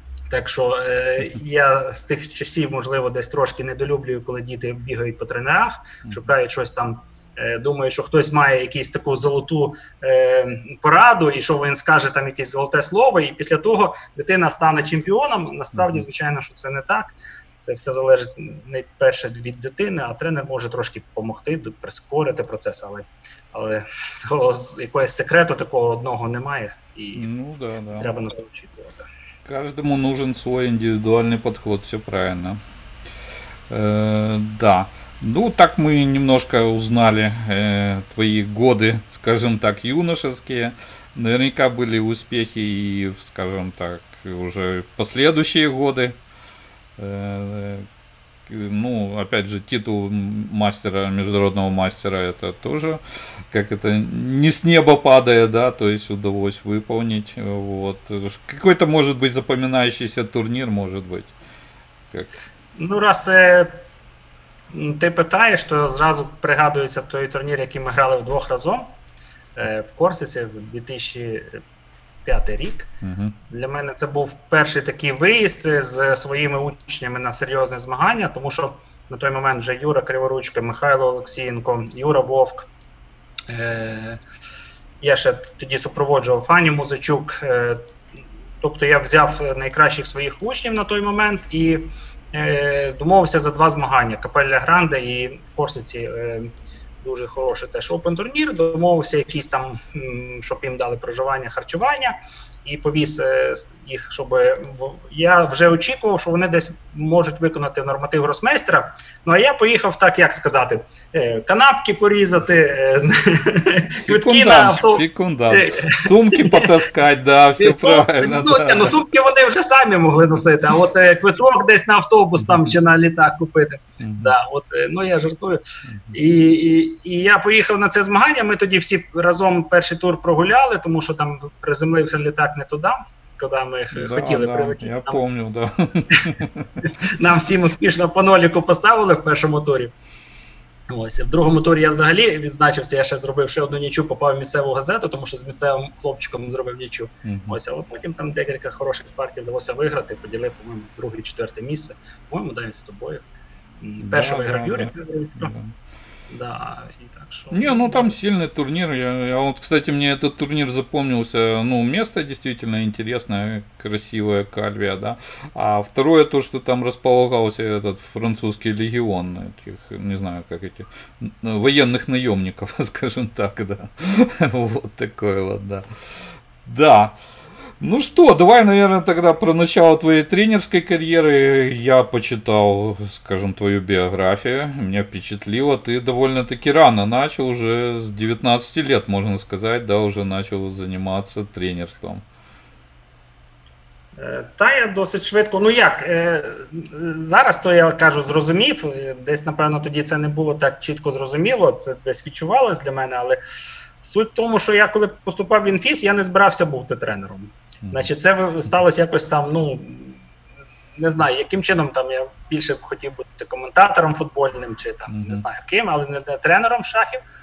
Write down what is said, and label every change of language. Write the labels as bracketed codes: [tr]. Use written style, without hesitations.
[uk] Так що я з тих часів, можливо, десь трошки недолюблюю, коли діти бігають по тренерах, шукають щось там, думаю, що хтось має якусь таку золоту пораду, і що він скаже там якесь золоте слово, і після того дитина стане чемпіоном. Насправді, звичайно, що це не так. Це все залежить найперше від дитини, а тренер може трошки допомогти, прискорити процес, але цього якогось секрету такого одного немає, і треба на то очікувати. [ru] Каждому нужен свой индивидуальный подход, все правильно. Да. Ну, так мы немножко узнали твои годы, скажем так, юношеские. Наверняка были успехи и, скажем так, уже последующие годы. Ну, опять же, титул мастера, международного мастера, это тоже, как это, не с неба падая, да, то есть удалось выполнить, вот. Какой-то, может быть, запоминающийся турнир, может быть. Как? Ну, раз ты питаешь, то сразу пригадывается [uk] той турнир, який ми грали вдвох разом в Корсиці в 2005 рік. Для мене це був перший такий виїзд з своїми учнями на серйозне змагання, тому що на той момент вже Юра Криворучко, Михайло Олексієнко, Юра Вовк, я ще тоді супроводжував Аню Музичук. Тобто я взяв найкращих своїх учнів на той момент і домовився за два змагання: Капелля Гранде і в Корсиці. Дуже хороший теж опен турнір, домовився якісь там, щоб їм дали проживання, харчування, і повіз їх, щоб я вже очікував, що вони десь можуть виконати норматив гросмейстера. Ну а я поїхав так, як сказати, канапки порізати, квитки на авто. Секундаж, сумки потаскати, да, все правильно. Ну, да. Ну сумки вони вже самі могли носити, а от квиток десь на автобус там чи на літак купити. Да, от, ну я жартую. І я поїхав на це змагання, ми тоді всі разом перший тур прогуляли, тому що там приземлився літак не туди, куди ми хотіли прилетіти. Я пам'ятаю, да. Нам всім успішно по ноліку поставили в першому турі. Ось, в другому турі я взагалі відзначився, я ще зробив ще одну нічу, попав в місцеву газету, тому що з місцевим хлопчиком зробив нічу. Ось, але потім там декілька хороших партій вдалося виграти, поділив, по-моєму, друге-четверте місце. По-моєму, навіть з тобою. Перший виграв Юрій. [ru] Да, и так что. Не, ну там сильный турнир. Я вот, кстати, мне этот турнир запомнился. Ну, место действительно интересное, красивое, Кальвия, да. А второе то, что там располагался этот французский легион этих, не знаю, как эти, военных наемников, скажем так, да. Вот такое вот, да. Да. Ну что, давай, наверное, тогда про начало твоей тренерской карьеры. Я почитал, скажем, твою биографию. Меня впечатлило. Ты довольно-таки рано начал, уже с 19 лет, можно сказать, да, уже начал заниматься тренерством. [uk] Та я досить швидко. Ну як, зараз то я кажу, зрозумів. Десь, напевно, тоді це не було так чітко зрозуміло, це десь відчувалось для мене, але суть в тому, що я коли поступав в інфіс, я не збирався бути тренером. Значить, це сталося якось там, ну не знаю, яким чином там я більше хотів бути коментатором футбольним, чи там не знаю ким, але не тренером шахів.